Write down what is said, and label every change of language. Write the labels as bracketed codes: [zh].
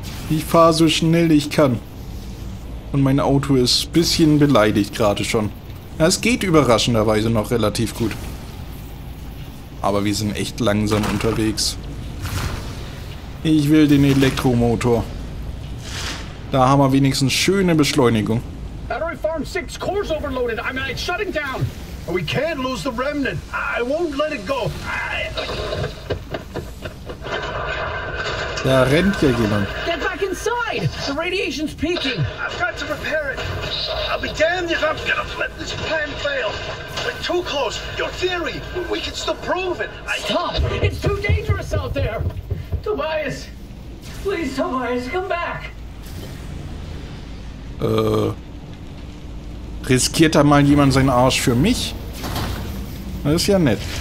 [de] Ich fahre so schnell ich kann. Und mein Auto ist ein bisschen beleidigt gerade schon. Ja, es geht überraschenderweise noch relativ gut. Aber wir sind echt langsam unterwegs. Ich will den Elektromotor. Da haben wir wenigstens schöne Beschleunigung. [en] Battery Farm 6, Core's overloaded. I'm shutting down. We can't lose the remnant. I won't let it go. [de] Da rennt ja jemand. [en] The radiation's peaking. I've got to repair it. I'll be damned if I'm gonna let this plan fail. We're too close. Your theory, we can still prove it. Stop! It's too dangerous out there. Tobias, please, Tobias, come back. [de] Riskiert da mal jemand seinen Arsch für mich? Das ist ja nett.